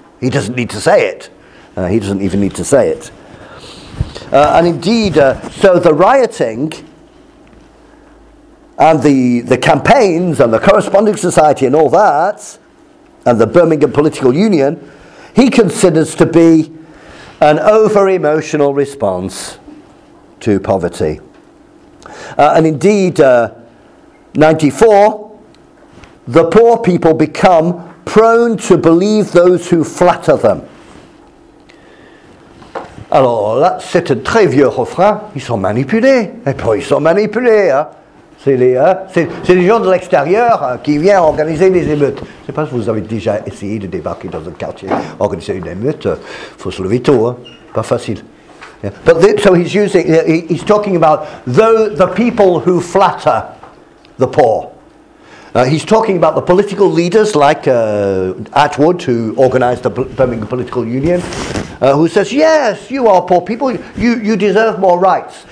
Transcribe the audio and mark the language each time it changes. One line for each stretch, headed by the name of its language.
English: He doesn't need to say it. He doesn't even need to say it. So the rioting and the campaigns and the Corresponding Society and all that, and the Birmingham Political Union, he considers to be an over-emotional response to poverty. And 94, the poor people become prone to believe those who flatter them.
French: Alors là, c'est un très vieux refrain, ils sont manipulés, et puis ils sont manipulés, hein. C'est les gens de l'extérieur qui viennent organiser des émeutes. Je ne sais pas si vous avez déjà essayé de débarquer dans un quartier, organiser une émeute, faut se lever tôt, hein. Pas facile. Yeah.
English: He's talking about the people who flatter the poor. He's talking about the political leaders like Atwood, who organized the Birmingham Political Union, who says, yes, you are poor people, you deserve more rights.